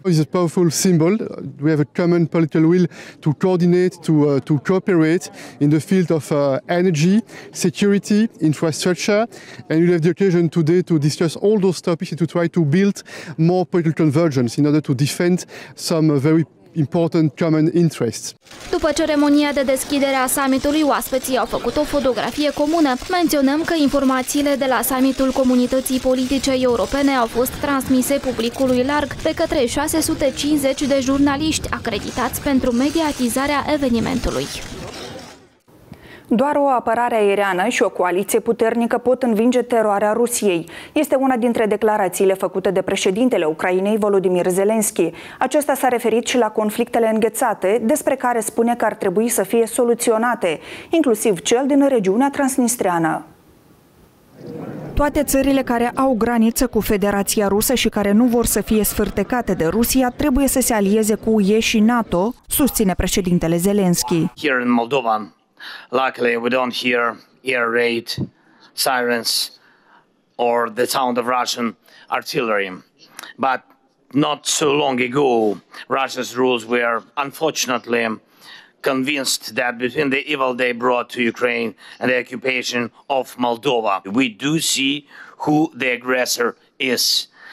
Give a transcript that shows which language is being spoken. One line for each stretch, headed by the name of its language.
English: It's a powerful symbol. We have a common political will to coordinate, to cooperate in the field of energy, security, infrastructure. And we have the occasion today to discuss all those topics and to try to build more political convergence in order to defend some very important common interests.
Romanian: După ceremonia de deschidere a summitului, oaspeții au făcut o fotografie comună. Menționăm că informațiile de la summitul Comunității Politice Europene au fost transmise publicului larg de către 650 de jurnaliști acreditați pentru mediatizarea evenimentului. Doar o apărare aeriană și o coaliție puternică pot învinge teroarea Rusiei. Este una dintre declarațiile făcute de președintele Ucrainei, Volodymyr Zelensky. Acesta s-a referit și la conflictele înghețate, despre care spune că ar trebui să fie soluționate, inclusiv cel din regiunea transnistreană. Toate țările care au graniță cu Federația Rusă și care nu vor să fie sfârtecate de Rusia trebuie să se alieze cu UE și NATO, susține președintele Zelensky.
English: Here in Moldova. Luckily, we don't hear air raid sirens or the sound of Russian artillery. But not so long ago, Russia's rulers were unfortunately convinced that between the evil they brought to Ukraine and the occupation of Moldova, we do see who the aggressor is.